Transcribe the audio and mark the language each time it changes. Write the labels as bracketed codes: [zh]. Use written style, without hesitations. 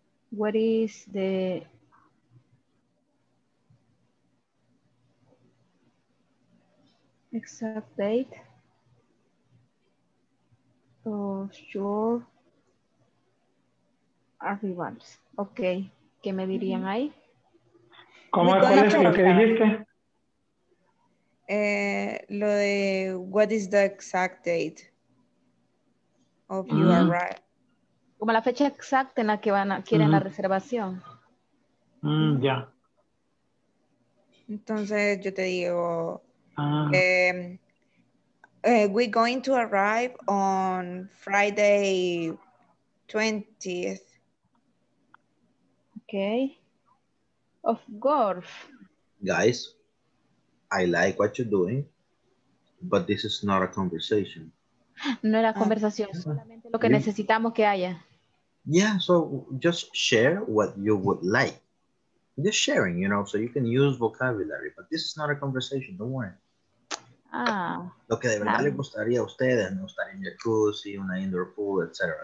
[en] What is the exact date of your arrivals? [es] Okay, ¿qué me dirían ahí? ¿Cómo es lo que dijiste? Lo de [en] what is the exact date of your arrival? [es] Como la fecha exacta en la que quieren la reservación. Ya. Yeah. Entonces yo te digo, [en] we're going to arrive on Friday 20th. Okay. Of course. Guys, I like what you're doing, but this is not a conversation. [es] No era conversación, solamente lo que necesitamos que haya. [en] Yeah, so just share what you would like. Just sharing, you know, so you can use vocabulary. But this is not a conversation, don't worry. [es] Lo que de verdad le gustaría a ustedes, no estar en jacuzzi, una indoor pool, etc.